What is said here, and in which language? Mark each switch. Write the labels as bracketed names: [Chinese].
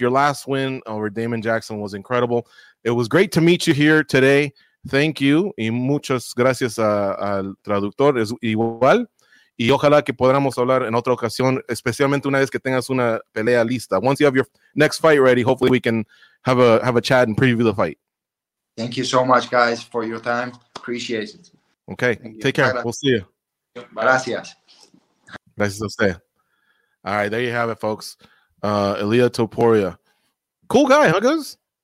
[English] Your last win over Damon Jackson was incredible. It was great to meet you here today. Thank you. [Spanish] Y muchas gracias al traductor. Es igual. Y ojalá que podamos hablar en otra ocasión, especialmente una vez que tengas una pelea lista. [English] Once you have your next fight ready, hopefully we can have a chat and preview the fight. Thank you so much, guys, for your time. Appreciate it. Okay. Take care. We'll see you. [Spanish] Gracias. Gracias a usted. [English] All right. There you have it, folks. Ilya Topuria. Cool guy, huggers.